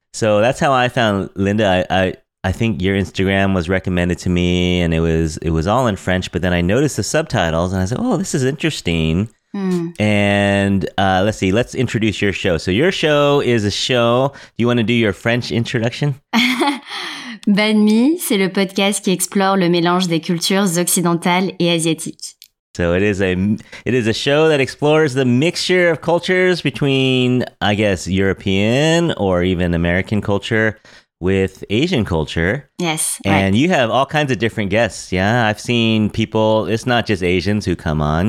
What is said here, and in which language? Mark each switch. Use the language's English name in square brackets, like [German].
[English] So that's how I found Linda. I think your Instagram was recommended to me, and it was all in French, but then I noticed the subtitles, and I said, oh, this is interesting. Mm. And let's introduce your show. So your show is a show. Do you want to do your French introduction? [French] Banh mi, c'est le podcast qui explore le mélange des cultures occidentales et asiatiques. [English] So it is a show that explores the mixture of cultures between, I guess, European or even American culture with Asian culture. Yes. And right. You have all kinds of different guests. Yeah, I've seen people, it's not just Asians who come on.